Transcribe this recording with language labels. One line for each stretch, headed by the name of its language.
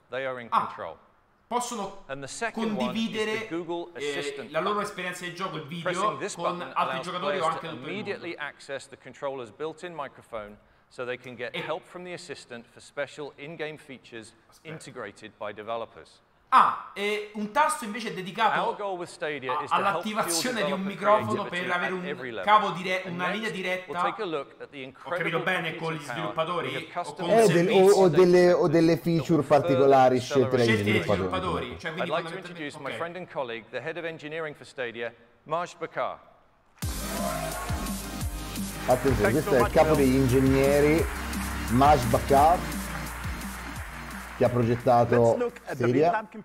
English: They are in control.
Italian: Possono condividere la loro esperienza di gioco, il video, con altri giocatori o anche
English: immediately access the controller's built-in microphone. So they can get help from the assistant for special in-game features.
Italian: Aspetta.
English: Integrated by developers.
Italian: Ah, e un tasto invece è dedicato all'attivazione di un microfono per avere un cavo una linea diretta. Ho capito bene con gli sviluppatori o delle feature particolari scelte dagli sviluppatori.
English: I'd like to introduce my friend and colleague, the head of engineering for Stadia, Marj Bakar.
Italian: Attenzione, questo è il capo degli ingegneri, Marj Bakar, che ha progettato Stadia.